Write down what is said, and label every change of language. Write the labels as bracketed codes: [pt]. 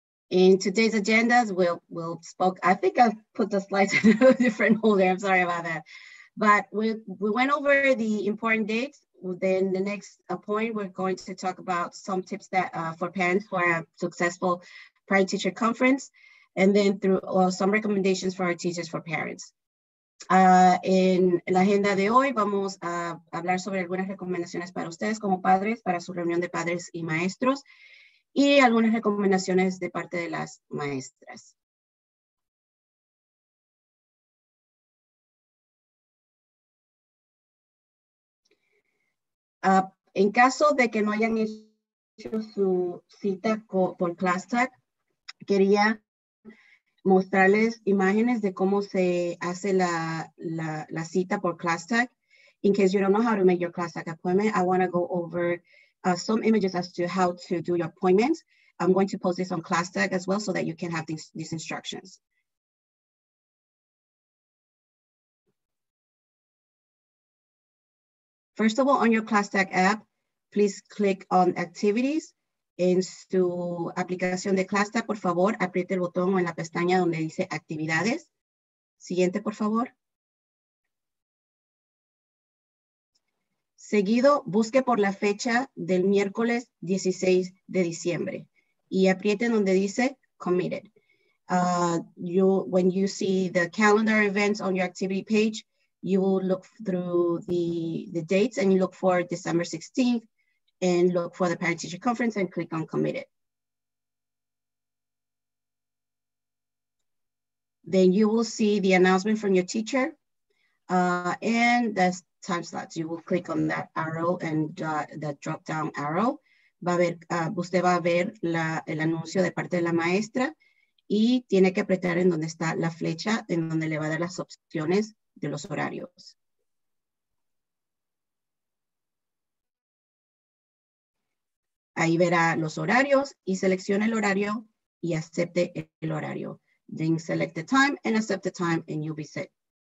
[en] In today's agendas, I put the slides in a different folder. I'm sorry about that. But we went over the important dates. Then the next point, we're going to talk about some tips that for parents for a successful parent-teacher conference, and then through some recommendations for our teachers for parents. [es] En la agenda de hoy, vamos a hablar sobre algunas recomendaciones para ustedes como padres, para su reunión de padres y maestros, y algunas recomendaciones de parte de las maestras. En caso de que no hayan hecho su cita por ClassTag, quería mostrarles imágenes de cómo se hace la cita por ClassTag. [en] In case you don't know how to make your ClassTag appointment, I want to go over some images as to how to do your appointments. I'm going to post this on ClassTag as well so that you can have these instructions. First of all, on your ClassTag app, please click on Activities. [es] En su aplicación de ClassTag, por favor, apriete el botón o en la pestaña donde dice Actividades. Siguiente, por favor. Seguido, busque por la fecha del miércoles 16 de diciembre y apriete donde dice Committed. [en] When you see the calendar events on your activity page, you will look through the dates and you look for December 16th and look for the parent teacher conference and click on committed. Then you will see the announcement from your teacher and the time slots. You will click on that arrow and the drop down arrow. [es] Usted va a ver el anuncio de parte de la maestra y tiene que apretar en donde está la flecha, en donde le va a dar las opciones de los horarios. Ahí verá los horarios y seleccione el horario y acepte el horario. [en] Then select the time and accept the time and you'll be set.